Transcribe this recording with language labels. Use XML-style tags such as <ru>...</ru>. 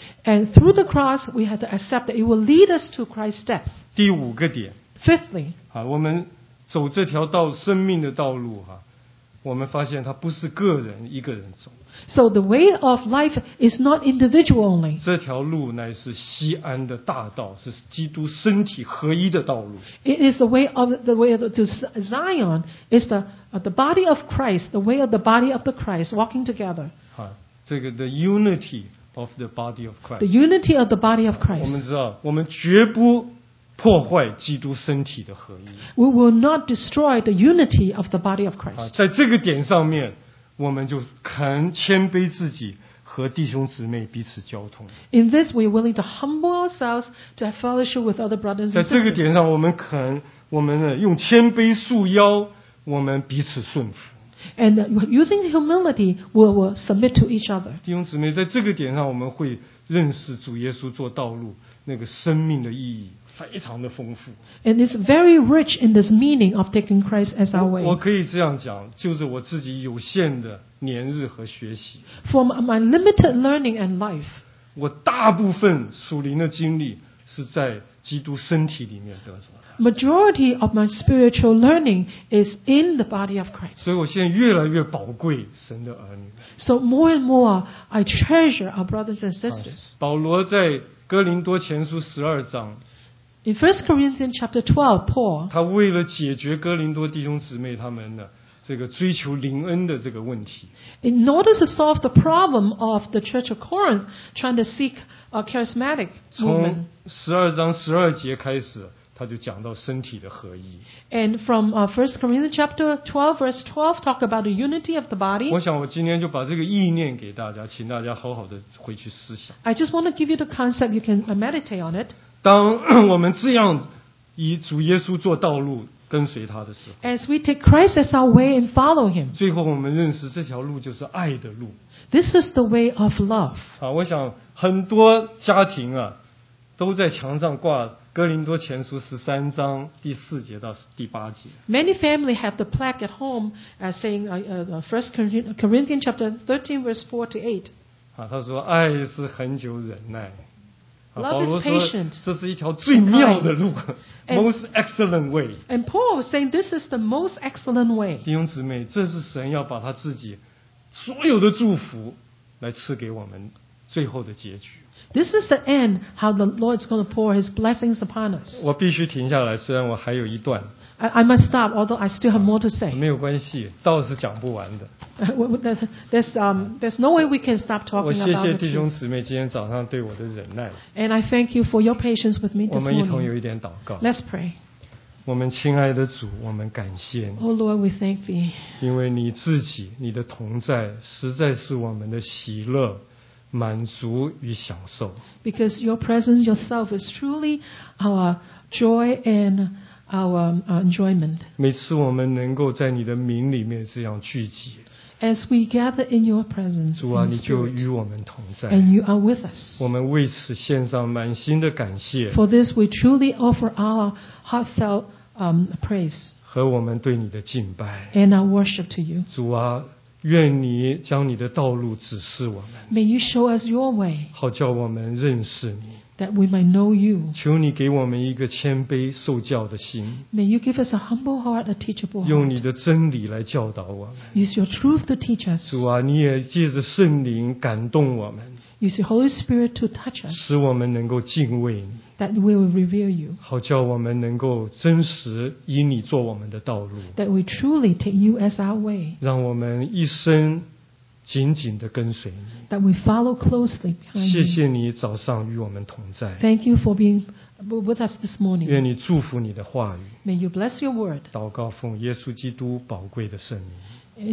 <en>And through the cross, we had to accept that it will lead us to Christ's death.</en> <zh>第五个点。</zh> <en>Fifthly,</en> <zh>啊，我们走这条道生命的道路哈，我们发现它不是个人一个人走。</zh> <en>So the way of life is not individual only.</en> <zh>这条路乃是西安的大道，是基督身体合一的道路。</zh> <en>It is the way to Zion. It's the body of Christ, the way of the body of the Christ walking together.</en> <zh>啊，这个</zh> <en>the unity. Of the body of Christ. The unity of the body of Christ.</en> <zh>我们知道，我们绝不破坏基督身体的合一。</zh> <en>We will not destroy the unity of the body of Christ.</en> <zh>在这个点上面，我们就肯谦卑自己，和弟兄姊妹彼此交通。</zh> <en>In this, we are willing to humble ourselves to have fellowship with other brothers and sisters.</en> <zh>在这个点上，我们肯，我们呢，用谦卑束腰，我们彼此顺服。</zh> <en>And using humility, we will submit to each other.</en> <zh>弟兄姊妹，在这个点上，我们会认识主耶稣做道路那个生命的意义，非常的丰富。</zh> <en>And it's very rich in this meaning of taking Christ as our way.</en> <zh>我可以这样讲，就是我自己有限的年日和学习。</zh> <en>From my limited learning and life.</en> <zh>我大部分属灵的经历是在基督身体里面得着。</zh> <en>Majority of my spiritual learning is in the body of Christ.</en> <zh>所以我现在越来越宝贵神的儿女。</zh> <en>So more and more, I treasure our brothers and sisters.</en> <zh>保罗在哥林多前书十二章。</zh> <en>In 1 Corinthians chapter 12, Paul.</en> <zh>他为了解决哥林多弟兄姊妹他们的这个追求灵恩的这个问题。</zh> <en>In order to solve the problem of the church of Corinth trying to seek a charismatic movement.</en> <zh>从十二章十二节开始。他就讲到身体的合一。</zh> <en>And from 1 Corinthians chapter 12 verse 12 talk about the unity of the body.</en> <zh>我想我今天就把这个意念给大家，请大家好好的回去思想。</zh> <en>I just want to give you the concept, you can meditate on it.</en> <zh>当我们这样以主耶稣做道路跟随他的时候，</zh> <en>As we take Christ as our way and follow him.</en> <zh>最后我们认识这条路就是爱的路。</zh> <en>This is the way of love.</en> <zh>啊，我想很多家庭啊都在墙上挂哥林多前书十三章第四节到第八节。</zh> <en>Many family have the plaque at home saying First Corinthians chapter 13 verse 4-8.</en> <zh>他说爱是恒久忍耐。</zh> <en>Love is patient.</en> <zh>这是一条最妙的路 ，</zh> <en>most excellent way. And Paul saying this is the most excellent way.</en> <zh>弟兄姊妹，这是神要把他自己所有的祝福来赐给我们最后的结局。</zh> <en>This is the end, how the Lord is going to pour His blessings upon us.</en> <zh>我必须停下来，虽然我还有一段。</zh> <en>I must stop, although I still have more to say.</en> <zh>没有关系，道是讲不完的。</zh> <en>There's no way we can stop talking about</en> <zh>我谢谢弟兄姊妹今天早上对我的忍耐。</zh> <en>And I thank you for your patience with me this morning.</en> <zh>我们一同有一点祷告。</zh> <en>Let's pray.</en> <zh>我们亲爱的主，我们感谢你。</zh> <en>Oh Lord, we thank thee.</en> <zh>因为你自己，你的同在，实在是我们的喜乐。满足与享受。</zh> <en>Because your presence yourself is truly our joy and our enjoyment.</en> <zh>每次我们能够在你的名里面这样聚集。</zh> <en>As we gather in your presence,</en> <zh>主啊，你就与我们同在。</zh> <en>And you are with us.</en> <zh>我们为此献上满心的感谢。</zh> <en>For this, we truly offer our heartfelt praise.</en> <zh>和我们对你的敬拜。</zh> <en>And our worship to you.</en> <zh>主啊。愿你将你的道路指示我们。</zh> <en>May you show us your way.</en> <zh>好叫我们认识你。</zh> <en>That we might know you.</en> <zh>求你给我们一个谦卑受教的心。</zh> <en>May you give us a humble heart, a teachable heart.</en> <zh>用你的真理来教导我们。</zh> <en>Use your truth to teach us.</en> <zh>主啊，你也借着圣灵感动我们。</zh> <en>Use your Holy Spirit to touch us.</en> <zh>使我们能够敬畏你。</zh> <en>That we will revere you.</en> <zh>好叫我们能够真实以你做我们的道路。</zh> <en>That we truly take you as our way.</en> <zh>让我们一生紧紧地跟随你。</zh> <en>That we follow closely behind you.</en> <zh>谢谢你早上与我们同在。</zh> <en>Thank you for being with us this morning.</en> <zh>愿你祝福你的话语。</zh> <en>May you bless your word.</en> <zh>祷告奉耶稣基督宝贵的圣名。</zh>